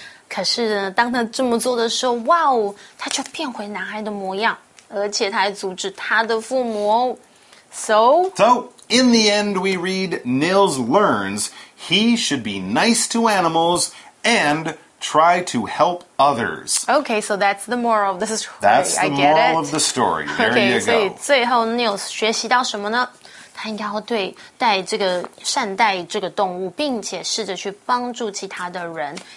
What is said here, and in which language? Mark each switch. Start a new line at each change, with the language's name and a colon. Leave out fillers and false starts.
Chinese: 可是当他这么做的时候，哇哦，他却变回男孩的模样，而且他还阻止他的父母哦。
English: So, in the end, we read Nils learns he should be nice to animals and try to help others. Okay, so that's the moral of the story. That's the moral of the story. There you go. Okay,
Chinese: 所以最后 Nils 学习到什么呢？他应该要对待这个善待这个动物，并且试着去帮助其他的人。